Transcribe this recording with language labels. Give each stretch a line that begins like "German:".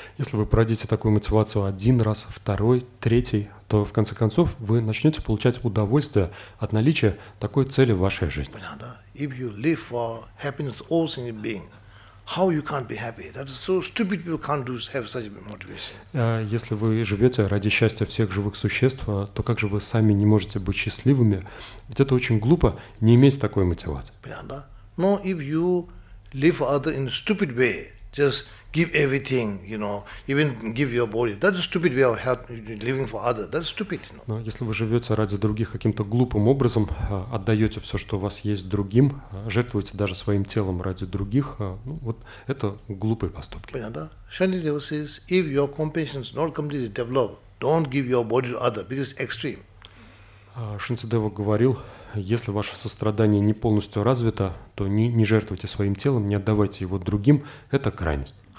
Russian: Если вы породите такую мотивацию один раз, второй, третий, то в конце концов вы начнете получать удовольствие от наличия такой цели в вашей жизни.
English: If you live for happiness all in your being, how you can't be happy? That is so stupid. People can't do have such a motivation.
Russian: Если вы живете ради счастья всех живых существ, то как же вы сами не можете быть счастливыми? Ведь это очень глупо не иметь такой мотивации.
English: No, if you live for other in a stupid way, just give everything, even give your body. That is stupid way of living for other. That is stupid.
Russian: Но если вы живете ради других каким-то глупым образом, отдаете все, что у вас есть, другим, жертвуете даже своим телом ради других, вот это глупые поступки. Понятно?
English: Шанидева says, if your compassion is not completely developed, don't give your body to other, because it's extreme.
Russian: Шанидева говорил, если ваше сострадание не полностью развито, то не жертвуйте своим телом, не отдавайте его другим, это крайность.